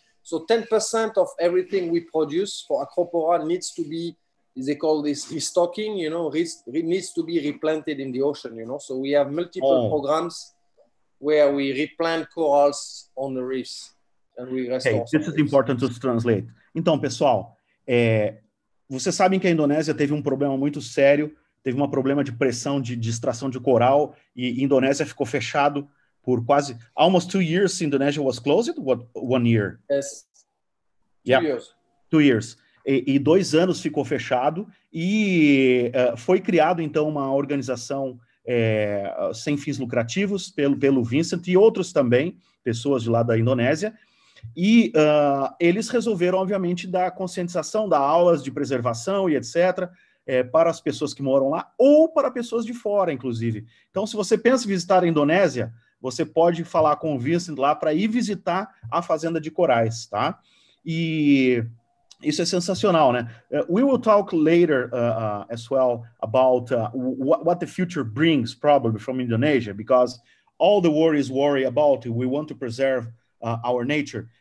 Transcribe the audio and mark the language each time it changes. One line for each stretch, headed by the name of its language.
English: So 10% of everything we produce for Acropora needs to be, they call this restocking, you know, needs to be replanted in the ocean, you know. So we have multiple programs where we replant corals on the reefs and we restore. Hey, this is important to translate.
Portuguese: Então, pessoal, vocês sabem que a Indonésia teve problema muito sério, teve problema de pressão de extração de coral, e Indonésia ficou fechado por quase,
English: almost 2 years Indonesia was closed, 1 year? Yes, two years.
Portuguese: E 2 anos ficou fechado, e foi criado então uma organização sem fins lucrativos pelo Vincent e outros também, pessoas de lá da Indonésia, e eles resolveram obviamente dar conscientização, dar aulas de preservação e etc., para as pessoas que moram lá, ou para pessoas de fora, inclusive. Então, se você pensa em visitar a Indonésia, você pode falar com o Vincent lá para ir visitar a Fazenda de Corais, tá? E isso é sensacional, né?
English: We will talk later as well about what the future brings, probably, from Indonesia, because all the world is worried about it. We want to preserve our nature.